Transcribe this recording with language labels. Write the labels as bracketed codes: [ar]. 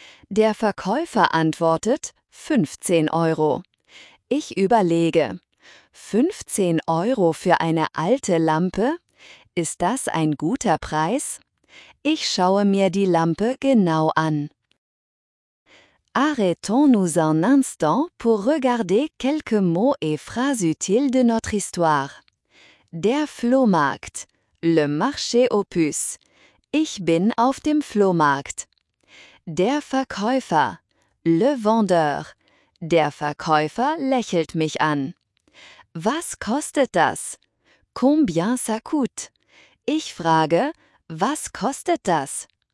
[de] Der Verkäufer antwortet, 15 Euro. Ich überlege, 15 Euro für eine alte Lampe? Ist das ein guter Preis? Ich schaue mir die Lampe genau an. [fr] Arrêtons-nous un instant pour regarder quelques mots et phrases utiles de notre histoire. [de] Der Flohmarkt, [fr] le marché aux puces. [de] Ich bin auf dem Flohmarkt. Der Verkäufer, [fr] le vendeur. [de] Der Verkäufer lächelt mich an. Was kostet das? [fr] Combien ça coûte? [de] Ich frage, was kostet das?